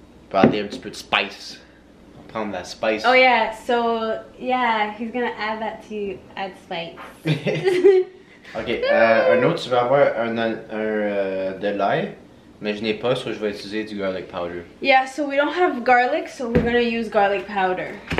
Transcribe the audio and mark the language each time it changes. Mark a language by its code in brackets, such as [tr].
[fr] Pour adder un petit peu de spice, prendre la spice. [en] Oh yeah, so yeah, he's gonna add that to you, add spice. [fr] Ok, un autre, tu vas avoir de l'ail, mais je n'ai pas, so je vais utiliser du garlic powder. [en] Yeah, so we don't have garlic, so we're gonna use garlic powder.